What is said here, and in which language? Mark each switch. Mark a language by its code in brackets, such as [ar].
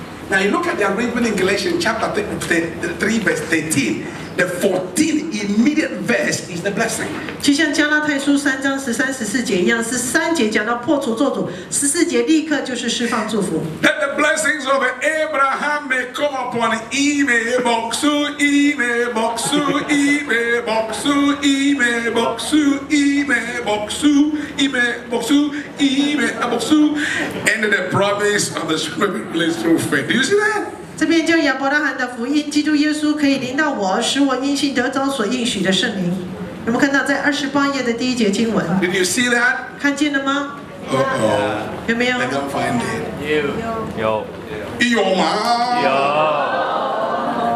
[en] Now you look at the arrangement in Galatians chapter 3:13. The 14th immediate verse is the blessing. [zh] 就像加拉太书3:13-14一样，13讲到破除咒诅，14立刻就是释放祝福。 [en] That the blessings of Abraham may come upon Imeboksu, and the promise of the Spirit blessed through faith. Do you see that? [zh] 这边就亚伯拉罕的福音，基督耶稣可以临到我，使我因信得着所应许的圣灵。有没有看到在28的第一节经文 [en] ？Did you see that？ [zh] 看见了吗？ Uh-oh. 有没有 [en] ？I don't find it. [zh] 有吗？